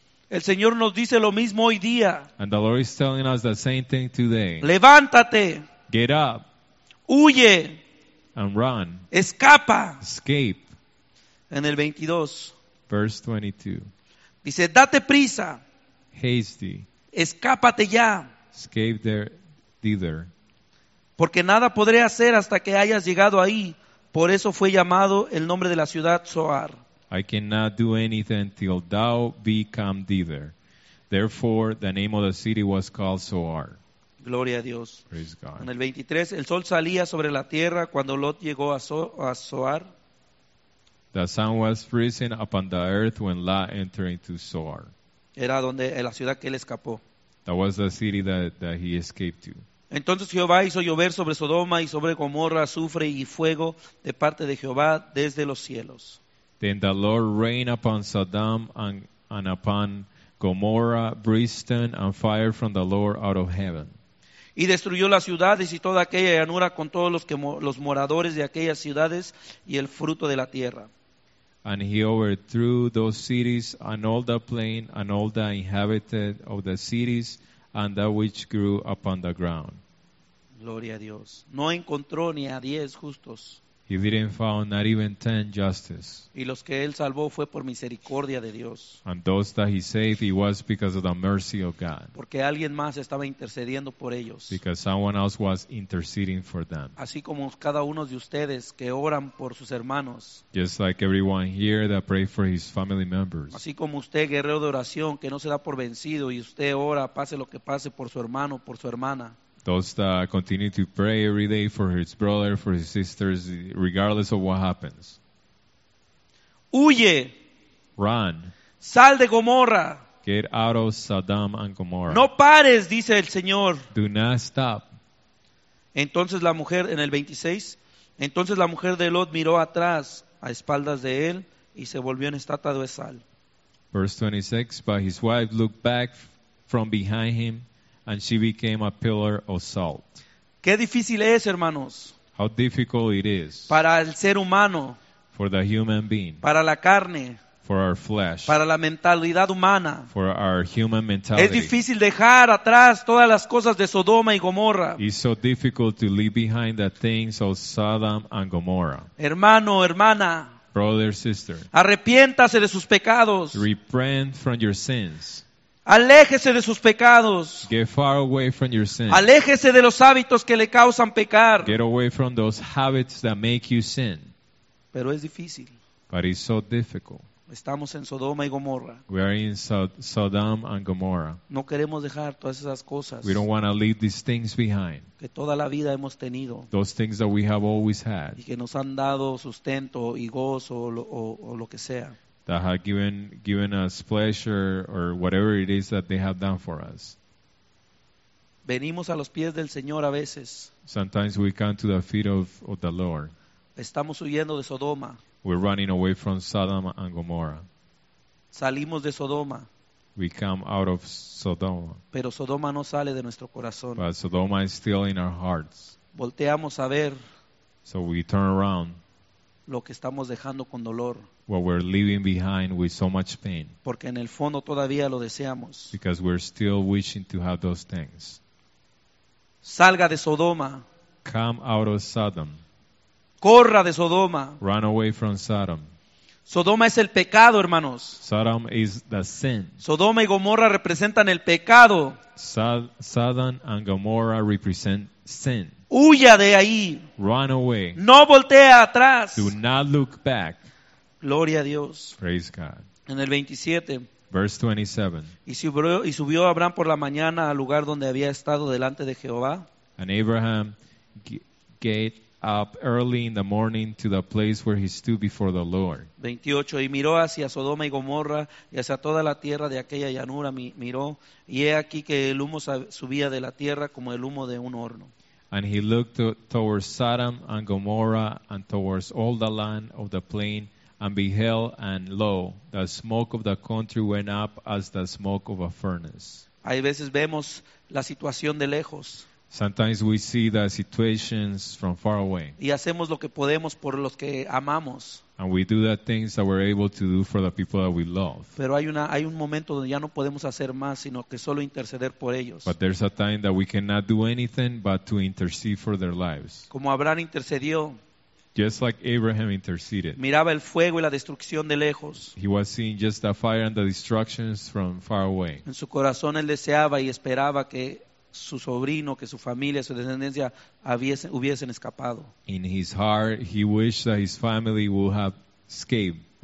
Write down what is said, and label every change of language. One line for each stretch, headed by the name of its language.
Spanish: El Señor nos dice lo mismo hoy día.
English: And the Lord is telling us the same thing today.
Spanish: Levántate.
English: Get up.
Spanish: Huye.
English: And run.
Spanish: Escapa.
English: Escape.
Spanish: En el 22.
English: Verse
Spanish: 22. Dice, date prisa.
English: Hasty.
Spanish: Escápate ya.
English: Escape there, thither.
Spanish: Porque nada podré hacer hasta que hayas llegado ahí. Por eso fue llamado el nombre de la ciudad Zoar.
English: I cannot do anything till thou be come thither. Therefore, the name of the city was called Zoar.
Spanish: Gloria a Dios.
English: Praise God.
Spanish: En el 23, el sol salía sobre la tierra cuando Lot llegó a Zoar.
English: The sun was rising upon the earth when Lot entered into Zoar.
Spanish: Era donde la ciudad que él escapó.
English: That was the city that he escaped to.
Spanish: Entonces Jehová hizo llover sobre Sodoma y sobre Gomorra azufre y fuego de parte de Jehová desde los cielos.
English: Then the Lord rained upon Sodom and upon Gomorrah, brimstone, and fire from the Lord out of heaven.
Spanish: Y destruyó las ciudades y toda aquella llanura con todos los moradores de aquellas ciudades y el fruto de la tierra.
English: And he overthrew those cities and all the plain and all the inhabited of the cities and that which grew upon the ground.
Spanish: Gloria a Dios. No encontró ni a 10 justos.
English: He didn't find not even 10 justice.
Spanish: Y los que él salvó fue por misericordia de Dios.
English: And those that he saved, it was because of the mercy of God.
Spanish: Porque alguien más estaba intercediendo por ellos.
English: Because someone else was interceding for them.
Spanish: Así como cada uno de ustedes que oran por sus hermanos.
English: Just like everyone here that pray for his family members.
Spanish: Así como usted, guerrero de oración, que no se da por vencido y usted ora, pase lo que pase, por su hermano, por su hermana.
English: Those that continue to pray every day for his brother, for his sisters, regardless of what happens.
Spanish: Huye.
English: Run.
Spanish: Sal de Gomorra.
English: Get out of Sodom and Gomorrah.
Spanish: No pares, dice el Señor.
English: Do not stop.
Spanish: Entonces la mujer, en el 26, entonces la mujer de Lot miró atrás a espaldas de él y se volvió en estatua de sal.
English: Verse 26, but his wife looked back from behind him. And she became a pillar of salt.
Spanish: Qué difícil es, hermanos.
English: How difficult it is.
Spanish: Para el ser humano.
English: For the human being.
Spanish: Para la carne.
English: For our flesh.
Spanish: Para la mentalidad humana.
English: For our human mentality.
Spanish: Es difícil dejar atrás todas las cosas de Sodoma y Gomorra.
English: It's so difficult to leave behind the things of Sodom and Gomorrah.
Spanish: Hermano, hermana.
English: Brother, sister.
Spanish: Arrepiéntase de sus pecados.
English: Repent from your sins.
Spanish: Aléjese de sus pecados.
English: Get far away from your sins.
Spanish: Aléjese de los hábitos que le causan pecar.
English: Get away from those habits that make you sin.
Spanish: Pero es difícil.
English: But it's so difficult.
Spanish: Estamos en Sodoma y Gomorra.
English: We are in Sodom and Gomorrah.
Spanish: No queremos dejar todas esas cosas.
English: We don't want to leave these things behind.
Spanish: Que toda la vida hemos tenido.
English: Those things that we have always had.
Spanish: Y que nos han dado sustento y gozo o lo que sea.
English: That have given us pleasure or whatever it is that they have done for us.
Spanish: Venimos a los pies del Señor a veces.
English: Sometimes we come to the feet of the Lord.
Spanish: Estamos huyendo de Sodoma.
English: We're running away from Sodom and Gomorrah.
Spanish: Salimos de Sodoma.
English: We come out of Sodoma.
Spanish: Pero Sodoma no sale de nuestro corazón.
English: But Sodoma is still in our hearts.
Spanish: Volteamos a ver.
English: So we turn around.
Spanish: Lo que estamos dejando con dolor.
English: What we're leaving behind with so much pain.
Spanish: Porque en el fondo todavía lo deseamos.
English: Because we're still wishing to have those things.
Spanish: Salga de Sodoma.
English: Come out of Sodom.
Spanish: Corra de Sodoma.
English: Run away from Sodom.
Spanish: Sodoma es el pecado, hermanos.
English: Sodom is the sin.
Spanish: Sodoma y Gomorra representan el pecado.
English: Sodom and Gomorrah represent sin.
Spanish: Huya de ahí.
English: Run away.
Spanish: No voltea atrás.
English: Do not look back.
Spanish: Gloria a Dios.
English: Praise God.
Spanish: En el 27.
English: Verse 27.
Spanish: Y subió Abraham por la mañana al lugar donde había estado delante de Jehová.
English: And Abraham get up early in the morning to the place where he stood before the Lord.
Spanish: 28. Y miró hacia Sodoma y Gomorra y hacia toda la tierra de aquella llanura. Miró y he aquí que el humo subía de la tierra como el humo de un horno.
English: And he looked towards Sodom and Gomorrah and towards all the land of the plain and beheld, and lo, the smoke of the country went up as the smoke of a furnace.
Spanish: Hay veces vemos la situación de lejos.
English: Sometimes we see the situations from far away.
Spanish: Y hacemos lo que podemos por los que amamos.
English: And we do the things that we're able to do for the people that we love.
Spanish: Pero hay un momento donde ya no podemos hacer más, sino que solo interceder por ellos.
English: But there's a time that we cannot do anything but to intercede for their lives.
Spanish: Como Abraham intercedió.
English: Just like Abraham interceded.
Spanish: Miraba el fuego y la destrucción de lejos.
English: He was seeing just the fire and the destructions from far away.
Spanish: En su corazón él deseaba y esperaba que su sobrino, que su familia, su descendencia hubiesen escapado.
English: In his heart, he wished that his family would escape.